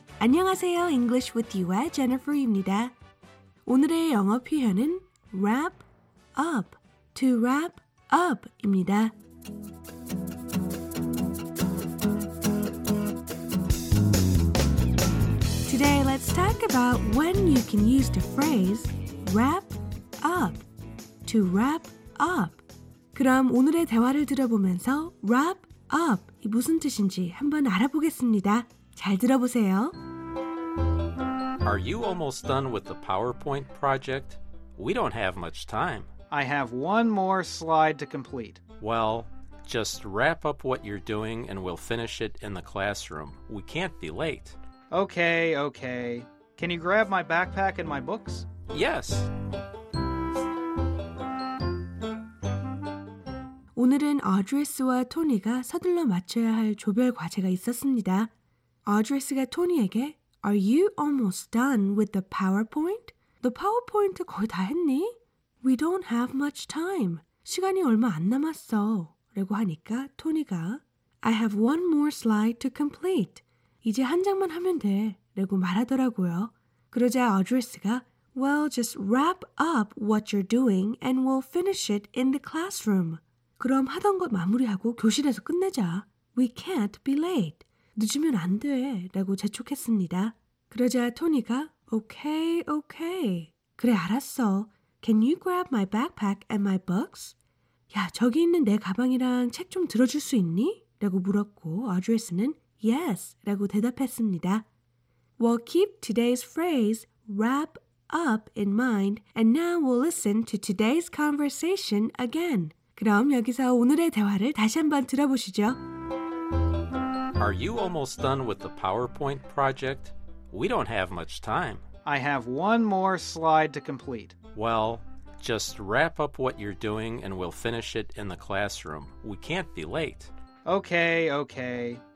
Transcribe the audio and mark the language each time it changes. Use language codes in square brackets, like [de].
[ko] 안녕하세요. English with you와 제니퍼입니다. 오늘의 영어 표현은 [en] wrap up, to wrap up [ko] 입니다. 오늘 [en] let's talk about when you can use the phrase wrap up, to wrap up. [ko] 그럼 오늘의 대화를 들어보면서 wrap up이 무슨 뜻인지 한번 알아보겠습니다. 잘 들어보세요. [en] Are you almost done with the PowerPoint project? We don't have much time. I have one more slide to complete. Well, just wrap up what you're doing and we'll finish it in the classroom. We can't be late. Okay, okay. Can you grab my backpack and my books? Yes. [ko] 오늘은 어드리스와 토니가 서둘러 마쳐야 할 조별 과제가 있었습니다. 어드리스가 토니에게 [en] Are you almost done with the PowerPoint? The PowerPoint [ko] 거의 다 했니? [en] We don't have much time. [ko] 시간이 얼마 안 남았어. 라고 하니까 토니가 [en] I have one more slide to complete. [ko] 이제 한 장만 하면 돼. 라고 말하더라고요. [en] 그러자 어드리스가 Well, just wrap up what you're doing and we'll finish it in the classroom. [ko] 그럼 하던 것 마무리하고 교실에서 끝내자. [en] We can't be late. [ko] 늦으면 안 돼. 라고 재촉했습니다. 그러자 토니가 [en] Okay, okay. [ko] 그래, 알았어. [en] Can you grab my backpack and my books? [ko] 야, 저기 있는 내 가방이랑 책 좀 들어줄 수 있니? 라고 물었고 어드리스는 [en] Yes, [ko] 라고 대답했습니다. [en] Well, keep today's phrase wrap up in mind and now we'll listen to today's conversation again. [ko] 그럼 여기서 오늘의 대화를 다시 한번 들어보시죠. [en] Are you almost done with the PowerPoint project? We don't have much time. I have one more slide to complete. Well, just wrap up what you're doing and we'll finish it in the classroom. We can't be late. Okay, okay.